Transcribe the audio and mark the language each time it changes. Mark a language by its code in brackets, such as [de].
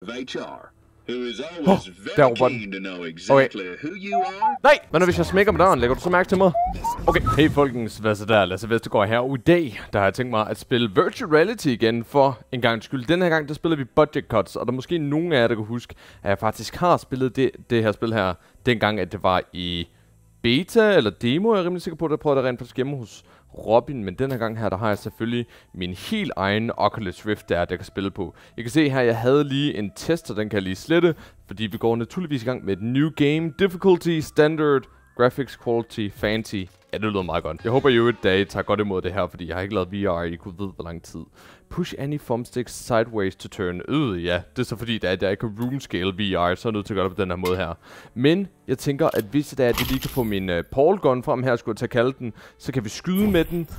[en] of HR, who is always very keen to know exactly who you are. [da] Nej, men hvis jeg smækker mig derovre, lægger du så mærke til mig? Okay, hey folkens, hvad så der? Lasse Vestergaard her, og i dag, der har jeg tænkt mig at spille Virtual Reality igen for en gang skyld. Den her gang, der spiller vi Budget Cuts, og der er måske nogen af jer, der kan huske, at jeg faktisk har spillet det her spil her, dengang at det var i beta eller demo, jeg er rimelig sikker på, at jeg prøvede det rent faktisk hjemme hos Robin, men den her gang her, der har jeg selvfølgelig min helt egen Oculus Rift der kan spille på. I kan se her, jeg havde lige en tester, den kan jeg lige slette, fordi vi går naturligvis i gang med et new game. [en] Difficulty, standard, graphics quality, fancy. [da] Ja, det lyder meget godt. Jeg håber jo, at dag tager godt imod det her, fordi jeg har ikke lavet VR i kunne vide, hvor lang tid. [en] Push any thumbstick sideways to turn. [da] Ja, det er så fordi, at jeg ikke kan roomscale VR, så er jeg nødt til at gøre det på den her måde her. Men jeg tænker, at hvis det er, at jeg lige kan få min Paul gun frem her, skulle jeg tage kalde den, så kan vi skyde med den.